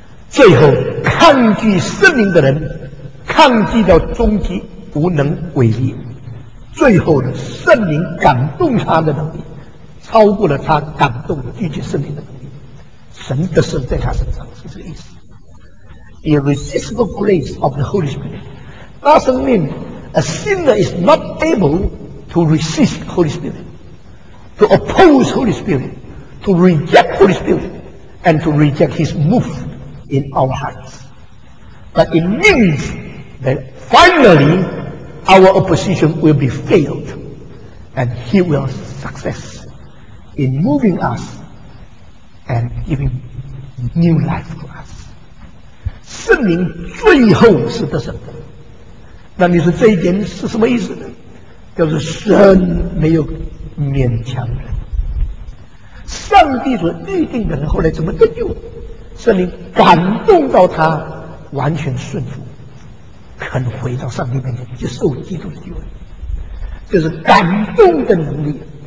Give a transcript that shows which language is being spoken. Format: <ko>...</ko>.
<zh>最后抗拒圣灵的人抗拒到终极无能为力，最后的圣灵感动他的能力超过了他感动拒绝圣灵的能力，神的事在他身上，是这个意思。</zh> <en>Irresistible grace of the Holy Spirit doesn't mean a sinner is not able to resist Holy Spirit, to oppose Holy Spirit, to reject Holy Spirit, and to reject his move in our hearts, but it meansThat finally our opposition will be failed and he will success in moving us and giving new life to us.</en> <zh>圣灵最后是得胜的。那你说这一点是什么意思呢？就是神没有勉强人，上帝所预定的人后来怎么得救，圣灵感动到他完全顺服，肯回到上帝面前，就受基督的救恩，就是感动的能力。</zh>